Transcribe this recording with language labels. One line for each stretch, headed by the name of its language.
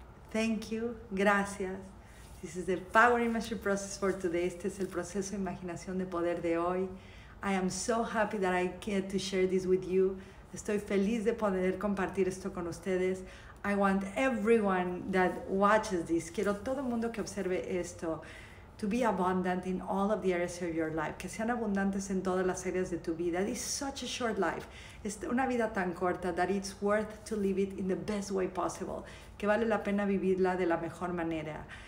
English: Thank you,
Spanish: gracias.
English: This is the Power Imagery Process for today.
Spanish: Este es el proceso de imaginación de poder de hoy.
English: I am so happy that I get to share this with you.
Spanish: Estoy feliz de poder compartir esto con ustedes.
English: I want everyone that watches this,
Spanish: quiero todo el mundo que observe esto,
English: to be abundant in all of the areas of your life,
Spanish: que sean abundantes en todas las áreas de tu vida.
English: This is such a short life.
Spanish: Es una vida tan corta
English: that it's worth to live it in the best way possible,
Spanish: que vale la pena vivirla de la mejor manera.